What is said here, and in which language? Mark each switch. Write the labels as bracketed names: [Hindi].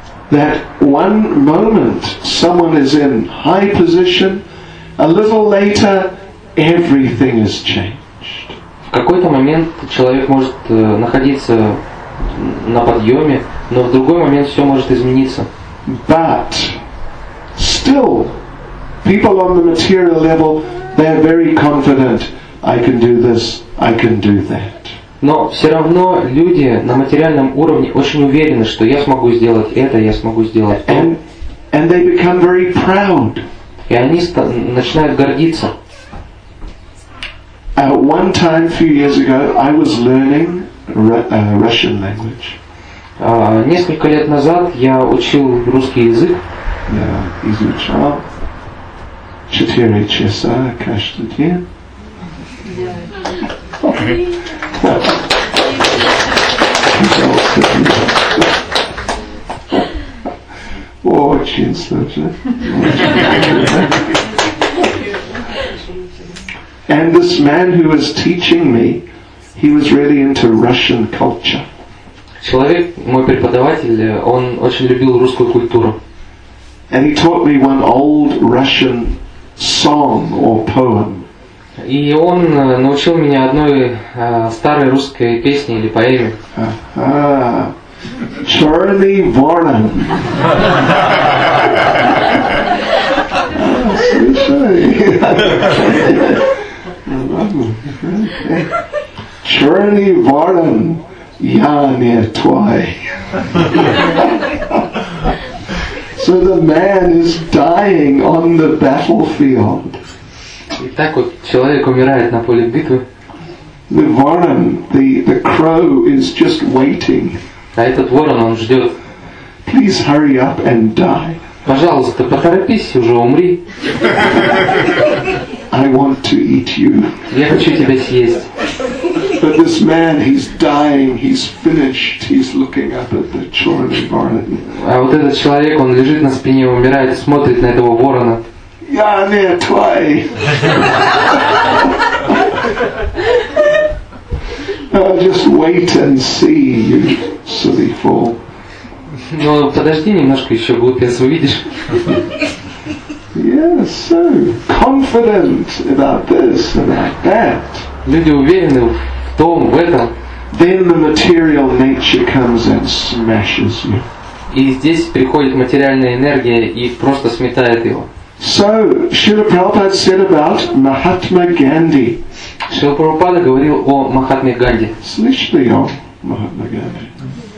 [English] That one moment someone is in high position, a little later everything is changed. [Russian] В какой-то момент человек может находиться на подъеме, но в другой момент все может измениться. [English] But still, people on the material level, they are very confident. I can do this, I can do that. [Russian] Но все равно люди на материальном уровне очень уверены, что я смогу сделать это, я смогу сделать то. [English] And they become very proud. [Russian] И они начинают гордиться. [English] At one time, a few years ago, I was learning Russian language. [Russian] Несколько лет назад я учил русский язык. Я изучал 4 часа каждый день. Очень сложно. [English] And this man who was teaching me, he was really into Russian culture. [Russian] Человек, мой преподаватель, он очень любил русскую культуру. [English] And he taught me one old Russian song or poem. [Russian] И он научил меня одной старой русской песне или поэме. Черный ворон. Слушай. Черный ворон, я не твой. [English] So the man is dying on the battlefield. [Russian] И так вот человек умирает на поле битвы. [English] The ворон, the crow is just waiting. [Russian] А этот ворон, он ждет. [English] Please hurry up and die. [Russian] Пожалуйста, поторопись, уже умри. [English] I want to eat you. [Russian] Я хочу тебя съесть. [English] But this man, he's dying, he's finished, he's looking up at the [Russian] черный ворон. А вот этот человек, он лежит на спине, умирает, смотрит на этого ворона. Я не твой. [English] Oh, just wait and see, you silly fool. [Russian] Ну, подожди немножко, еще глупец, увидишь. [English] Yes, so confident about this and about that. [Russian] Люди уверены в том, в этом. [English] Then the material nature comes and smashes you. [Russian] И здесь приходит материальная энергия и просто сметает его. [English] So Srila Prabhupada said about Mahatma Gandhi. [Russian] Srila Prabhupada говорил о Махатме Ганди. Слышали о Махатме Ганди?